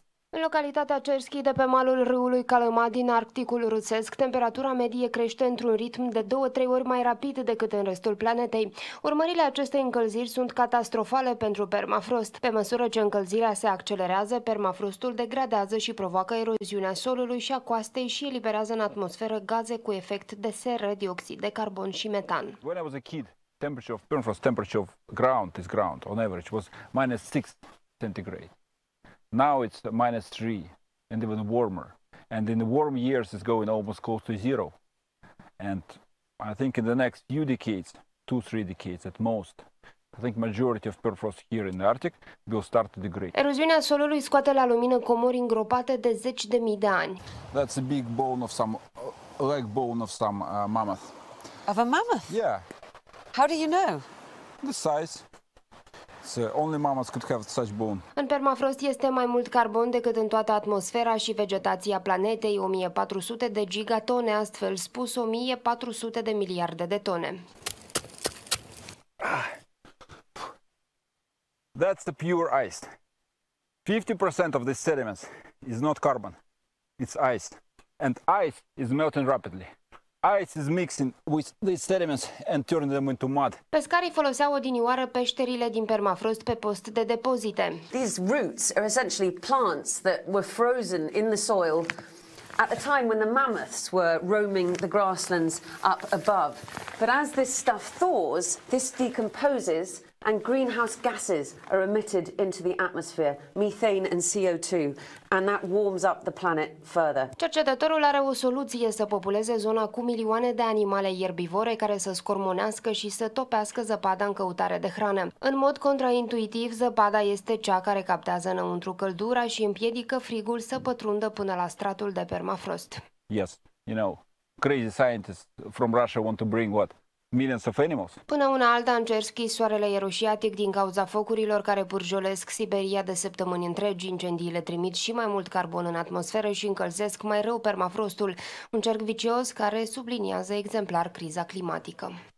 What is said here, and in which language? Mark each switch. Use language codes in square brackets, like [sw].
[ro] În localitatea Cerski, de pe malul râului Calăma din Arcticul rusesc, temperatura medie crește într-un ritm de 2-3 ori mai rapid decât în restul planetei. Urmările acestei încălziri sunt catastrofale pentru permafrost. Pe măsură ce încălzirea se accelerează, permafrostul degradează și provoacă eroziunea solului și a coastei și eliberează în atmosferă gaze cu efect de seră, dioxid de carbon și metan. [en] When I was a kid, temperature of permafrost, temperature of ground, this ground, on average, was minus 6 centigrade. Now it's -3 and even warmer. And in the warm years it's going almost close to zero. And I think in the next few decades, 2-3 decades at most, I think majority of permafrost here in the Arctic will start to degrade. [ro] Eroziunea solului scoate la lumină comori îngropate de 10.000 de ani. [en] That's a big bone of some leg bone of some mammoth. Of a mammoth? Yeah. How do you know? The size. Only mammoths could have such bone. [ro] În permafrost este mai mult carbon decât în toată atmosfera și vegetația planetei, 1.400 de gigatone, astfel spus 1.400 de miliarde de tone. [en] That's the pure ice. 50% of the sediments is not carbon. It's ice. And ice is melting rapidly. Ice is mixing with the sediments and turning them into mud. [ro] Pescarii foloseau odinioară peșterile din permafrost pe post de depozite. [en] These roots are essentially plants that were frozen in the soil at the time when the mammoths were roaming the grasslands up above. But as this stuff thaws, this decomposes and greenhouse gases are emitted into the atmosphere, methane and CO2, and that warms up the planet further. [ro] Cercetătorul are o soluție să populeze zona cu milioane de animale ierbivore care să scormonească și să topească zăpada în căutare de hrană. În mod contraintuitiv, zăpada este cea care captează înăuntru căldura și împiedică frigul să pătrundă până la stratul de permafrost. [en] Yes, you know, crazy scientists from Russia want to bring what? Millions of animals. [ro] Până una alta, în Cerski, soarele e roșiatic din cauza focurilor care purjolesc Siberia de săptămâni întregi. Incendiile trimit și mai mult carbon în atmosferă și încălzesc mai rău permafrostul. Un cerc vicios care subliniază exemplar criza climatică.